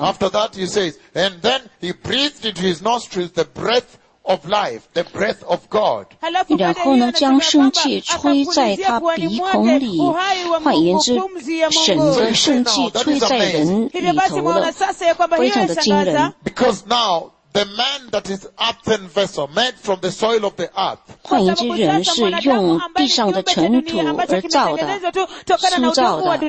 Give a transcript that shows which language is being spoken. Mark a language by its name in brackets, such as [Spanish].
[English] After that he says, and then he breathed into his nostrils the breath of life, the breath of God. [Chinese] 然后呢，将生气吹在他鼻孔里，换言之，神的生气吹在人里头了，非常的惊人。 [English] Because now the man that is earthen vessel, made from the soil of the earth. [Chinese] 换言之，人是用地上的尘土而造的，塑造的。